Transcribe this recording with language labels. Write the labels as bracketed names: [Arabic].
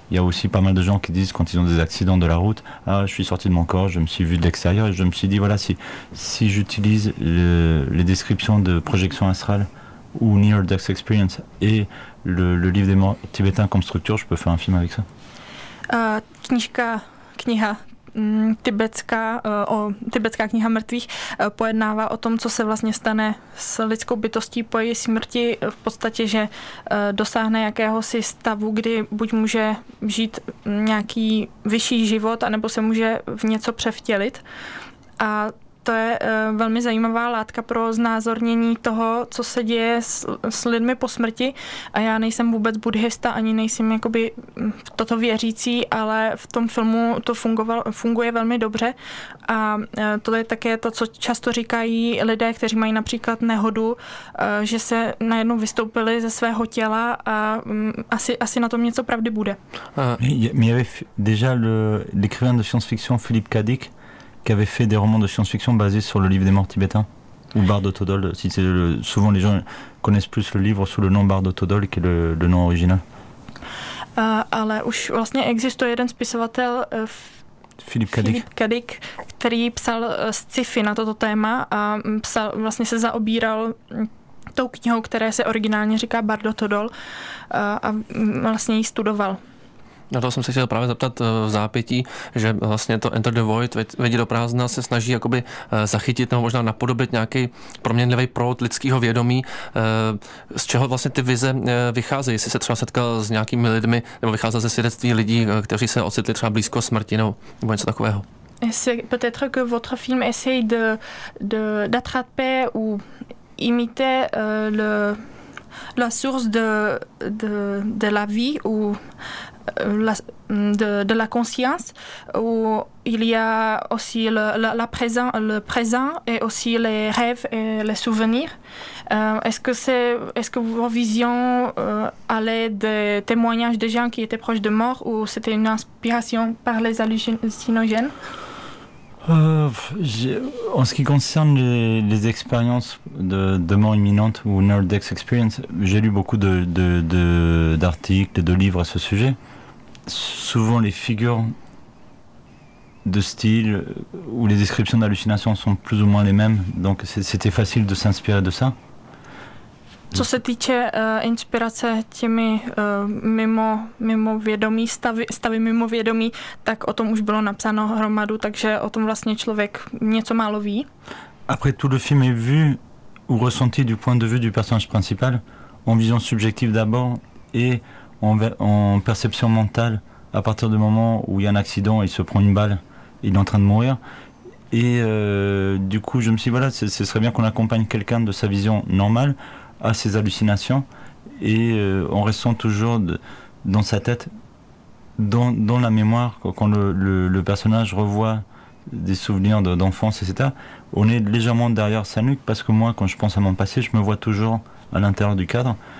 [French] Il y a aussi pas mal de gens qui disent, quand ils ont des accidents de la route, « Ah, je suis sorti de mon corps, je me suis vu de l'extérieur », et je me suis dit, voilà, si j'utilise les descriptions de projection astrale ou « Near Death Experience » et le livre des morts tibétains comme structure, je peux faire un film avec ça. [Czech] Kniha. Tibetská kniha mrtvých pojednává o tom, co se vlastně stane s lidskou bytostí po její smrti, v podstatě, že dosáhne jakéhosi stavu, kdy buď může žít nějaký vyšší život, anebo se může v něco převtělit. A to je velmi zajímavá látka pro znázornění toho, co se děje s lidmi po smrti. A já nejsem vůbec buddhista, ani nejsem jakoby toto věřící, ale v tom filmu to funguje velmi dobře. A to je také to, co často říkají lidé, kteří mají například nehodu, že se najednou vystoupili ze svého těla a asi na tom něco pravdy bude. [French] Mě je déjà l'écrivain de science-fiction Philippe K. Dick, qui avait fait des romans de science-fiction basés sur le livre des morts tibétains, ou Bardo Todol, si c'est souvent les gens connaissent plus le livre sous le nom Bardo Todol qui est le nom original. [Czech] Ale už vlastně existuje jeden spisovatel Philip K. Dick, který psal sci-fi na toto téma a psal, vlastně se zaobíral tou knihou, která se originálně říká Bardo Todol, a vlastně ji studoval. Na to jsem se chtěl právě zeptat v zápětí, že vlastně to Enter the Void, vidět do prázdna, se snaží jakoby zachytit nebo možná napodobit nějaký proměnlivý proud lidského vědomí. Z čeho vlastně ty vize vycházejí? Jestli se třeba setkal s nějakými lidmi, nebo vycházel ze svědectví lidí, kteří se ocitli třeba blízko smrti nebo něco takového? [French] Peut-être que votre film essaye d'attraper ou imiter la source de la vie ou de la conscience, où il y a aussi le présent et aussi les rêves et les souvenirs. Est-ce que vos visions allaient des témoignages des gens qui étaient proches de mort, ou c'était une inspiration par les hallucinogènes? En ce qui concerne les expériences de mort imminente ou near death experience, j'ai lu beaucoup d'articles et de livres à ce sujet. Souvent, les figures de style ou les descriptions d'hallucinations sont plus ou moins les mêmes, donc c'était facile de s'inspirer de ça. [Czech] Co se týče inspirace těmi mimo vědomí, stavy mimo vědomí, tak o tom už bylo napsáno hromadu, takže o tom vlastně člověk něco málo ví. [French] Après tout le film est vu ou ressenti du point de vue du personnage principal, en vision subjective d'abord et en perception mentale à partir du moment où il y a un accident, il se prend une balle, il est en train de mourir. Et du coup, je me suis dit, voilà, ce serait bien qu'on accompagne quelqu'un de sa vision normale à ses hallucinations, et on ressent toujours dans sa tête, dans la mémoire, quand le personnage revoit des souvenirs d'enfance, etc., on est légèrement derrière sa nuque, parce que moi, quand je pense à mon passé, je me vois toujours à l'intérieur du cadre.